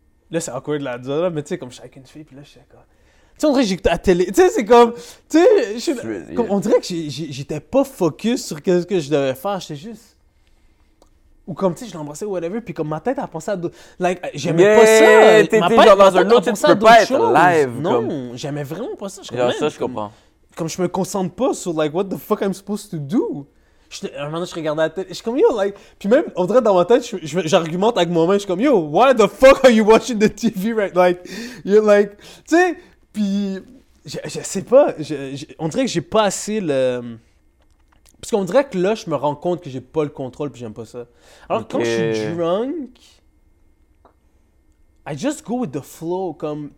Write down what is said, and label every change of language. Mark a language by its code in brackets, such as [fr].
[fr] Là, c'est awkward de la dire, là, mais tu sais, comme je suis avec une fille, puis là, je suis comme... Tu sais, on dirait que j'écoutais la télé. Tu sais, c'est comme... Tu sais, on dirait que j'étais pas focus sur ce que je devais faire. J'étais juste... Ou comme, tu sais, je l'embrassais ou whatever, puis comme ma tête a pensé à d'autres... Like, j'aimais pas ça. T'étais genre dans un autre, tu peux pas être live. Non, j'aimais vraiment pas ça. Ça, je comprends. Comme je me concentre pas sur, [en] like, what the fuck I'm supposed to do. [fr] À un moment donné, je regardais la tête, je suis comme, yo, like... Puis même, on dirait dans ma tête, j'argumente avec moi-même, je suis comme, yo, [en] why the fuck are you watching the TV right? Like, you're like... [fr] Tu sais, puis... Je sais pas, on dirait que j'ai pas assez le... Parce qu'on dirait que là, je me rends compte que j'ai pas le contrôle, puis j'aime pas ça. Alors, okay. Quand je suis drunk, [en] I just go with the flow, [fr] comme...